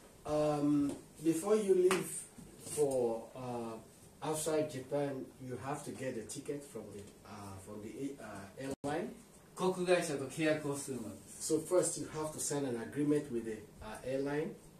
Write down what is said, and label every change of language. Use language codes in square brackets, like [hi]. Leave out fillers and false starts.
[en] Before you leave for outside Japan, you have to get a ticket from the airline. [ja] 航空会社と契約をするのです。 [en] So first you have to sign an agreement with the airline.